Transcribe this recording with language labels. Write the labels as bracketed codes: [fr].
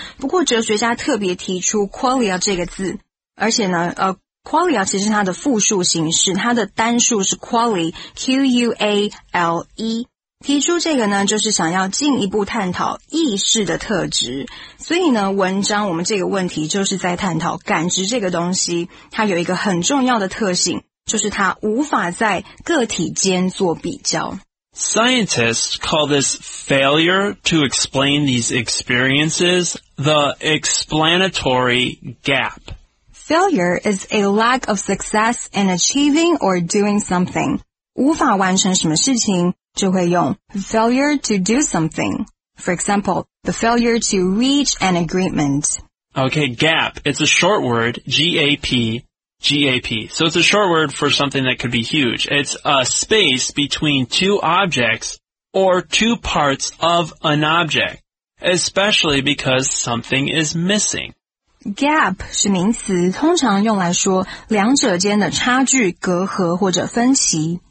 [zh] 不过哲学家特别提出 qualia 这个字。而且呢qualia 其实它的复数形式，它的单数是 quali, Q-U-A-L-E。提出这个呢，就是想要进一步探讨意识的特质。所以呢，文章我们这个问题就是在探讨感知这个东西，它有一个很重要的特性，就是它无法在个体间做比较。 [en] Scientists call this failure to explain these experiences the explanatory gap. Failure is a lack of success in achieving or doing something. 无法完成什么事情就会用 failure to do something. For example, the failure to reach an agreement. Okay, gap. It's a short word, G-A-P, G-A-P. So it's a short word for something that could be huge. It's a space between two objects or two parts of an object, especially because something is missing. [zh] Gap 是名词，通常用来说两者间的差距、隔阂或者分歧。